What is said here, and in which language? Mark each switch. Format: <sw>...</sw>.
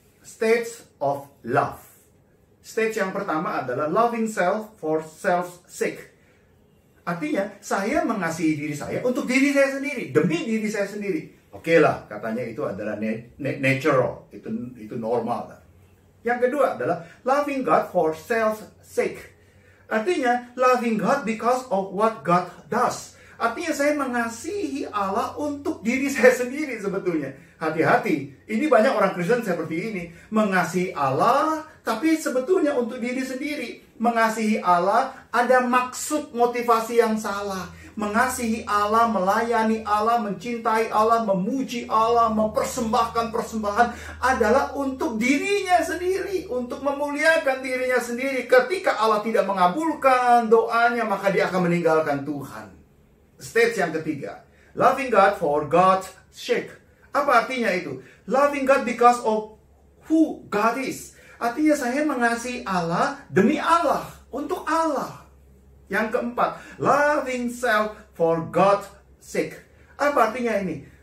<en>States of love. Stage</en> <id>yang pertama adalah</id> <en>loving self for self's sake.</en> <id>Artinya, saya mengasihi diri saya untuk diri saya sendiri, demi diri saya sendiri. Oke lah, katanya itu adalah natural, itu normal. Yang kedua adalah</id> <en>loving God for self's sake.</en> <id>Artinya,</id> <en>loving God because of what God does.</en> <id>Artinya, saya mengasihi Allah untuk diri saya sendiri sebetulnya. Hati-hati, ini banyak orang Kristen seperti ini. Mengasihi Allah, tapi sebetulnya untuk diri sendiri. Mengasihi Allah, ada maksud motivasi yang salah. Mengasihi Allah, melayani Allah, mencintai Allah, memuji Allah, mempersembahkan persembahan adalah untuk dirinya sendiri, untuk memuliakan dirinya sendiri. Ketika Allah tidak mengabulkan doanya, maka dia akan meninggalkan Tuhan.</id> <en>Stage</en> <id>yang ketiga,</id> <en>loving God for God's sake.</en> <id>Apa artinya itu?</id> <en>Loving God because of who God is.</en> <id>Artinya saya mengasihi Allah demi Allah, untuk Allah. Yang keempat,</id> <en>loving self for God's sake.</en> <id>Apa artinya ini?</id>